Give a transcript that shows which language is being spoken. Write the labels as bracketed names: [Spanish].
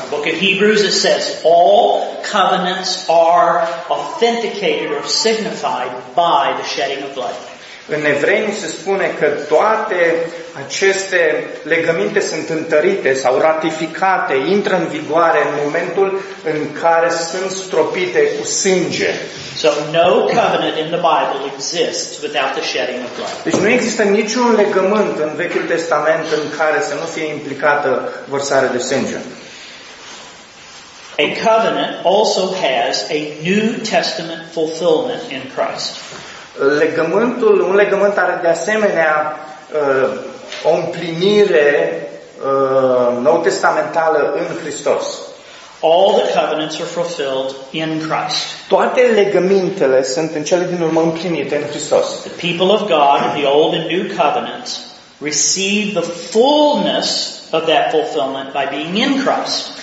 [English] Book of Hebrews it says all covenants are authenticated or signified by the shedding of blood. [Romanian] În Evrei se spune că toate aceste legăminte sunt întărite sau ratificate, intră în vigoare în momentul în care sunt stropite cu sânge. [English] So no covenant in the Bible exists without the shedding of blood. [Romanian] Deci nu există niciun legământ în Vechiul Testament în care să nu fie implicată vărsarea de sânge. [English] A covenant also has a New Testament fulfillment in Christ. [Romanian] Legământul, un legământ are de asemenea o împlinire nou testamentală în Hristos. [English] All the covenants are fulfilled in Christ. [Romanian] Toate legămintele sunt în cele din urmă împlinite în Hristos. [English] The people of God in the old and new covenants receive the fullness of that fulfillment by being in Christ.